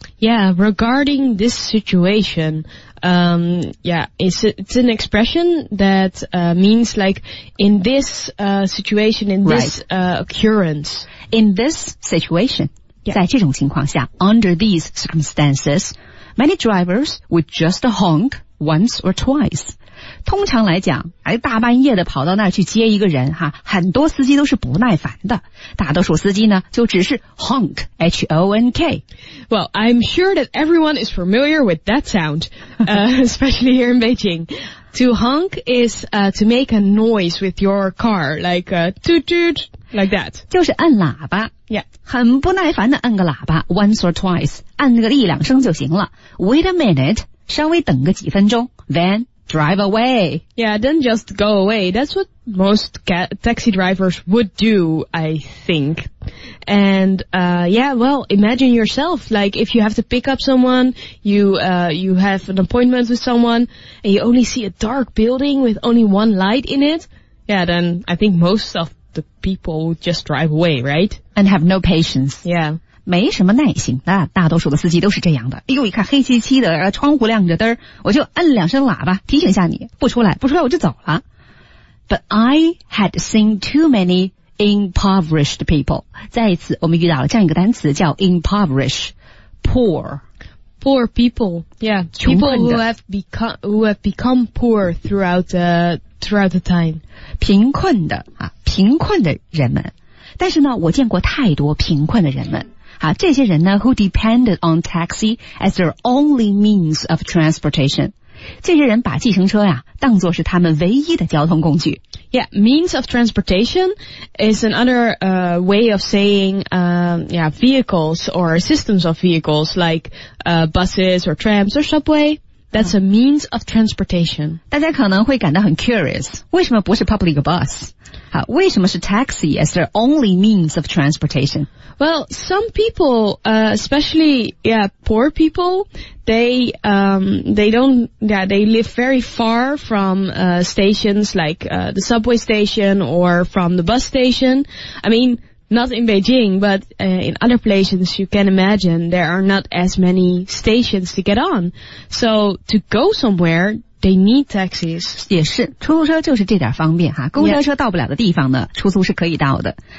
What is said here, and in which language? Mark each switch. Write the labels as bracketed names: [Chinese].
[English] Yeah, regarding this situation, it's an expression that means like in this situation, in this occurrence. In this situation,、yeah. [Chinese] 在这种情况下 [English] under these circumstances, many drivers would just honk once or twice. [Chinese] 通常来讲，哎，大半夜的跑到那儿去接一个人哈，很多司机都是不耐烦的。大多数司机呢，就只是 honk, H-O-N-K. [English] Well, I'm sure that everyone is familiar with that sound, especially here in Beijing. To honk is to make a noise with your car, like a toot-toot, like that. [Chinese] 就是按喇叭。 [English] Yeah. [Chinese] 很不耐烦的按个喇叭 , [English] once or twice, [Chinese] 按个一两声就行了。 [English] Wait a minute, [Chinese] 稍微等个几分钟 [English] then,Drive away. Yeah, then just go away. That's what most taxi drivers would do, I think. And, yeah, well, imagine yourself, like, if you have to pick up someone, you have an appointment with someone, and you only see a dark building with only one light in it. Yeah, then I think most of the people would just drive away, right? And have no patience. Yeah. [Chinese] 没什么耐心啊，大多数的司机都是这样的。哎呦，一看黑漆漆的，窗户亮着灯，我就摁两声喇叭提醒一下你，不出来我就走了。 [English] But I had seen too many impoverished people. [Chinese] 再一次，我们遇到了这样一个单词叫 impoverish, poor, [English] poor people. Yeah, people who have become poor throughout the time. [Chinese] 贫困的啊，贫困的人们。但是呢，我见过太多贫困的人们。啊、这些人呢 [English] who depended on taxi as their only means of transportation. [Chinese] 这些人把计程车呀、啊、当作是他们唯一的交通工具。 [English] Yeah, means of transportation is another way of saying vehicles or systems of vehicles like buses or trams or subway. That's a means of transportation. [Chinese] 大家可能会感到很 curious, 为什么不是 public bus? 好，为什么是 [English] taxi as their only means of transportation? Well, some people, especially, yeah, poor people, they live very far from, stations like, the subway station or from the bus station. I mean, not in Beijing, but, in other places you can imagine there are not as many stations to get on. So, to go somewhere,They need taxis. [Chinese] 也是，出租车就是这点方便哈。公交车到不了的地方呢，出租是可以到的。